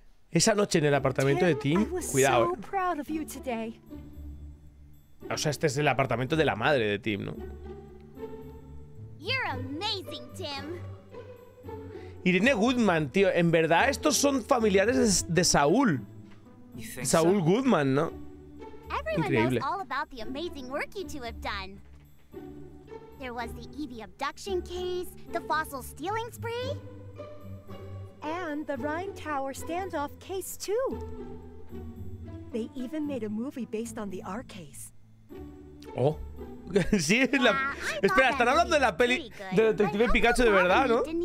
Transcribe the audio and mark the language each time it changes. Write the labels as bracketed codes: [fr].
[es] Esa noche en el apartamento de Tim, cuidado, ¿eh? O sea, este es el apartamento de la madre de Tim, ¿no? [en] You're amazing, Tim. [es] Irene Goodman, tío, en verdad estos son familiares de Saúl. Saúl Goodman, ¿no? Increíble. [en] All about the amazing work you two have done. There was the Evie abduction case, the fossil stealing spree, and the Rhyme Tower standoff case too. They even made a movie based on the R case. [es] Oh. Sí, es la... Espera, están hablando de la peli de Detective Pikachu de verdad, ¿no?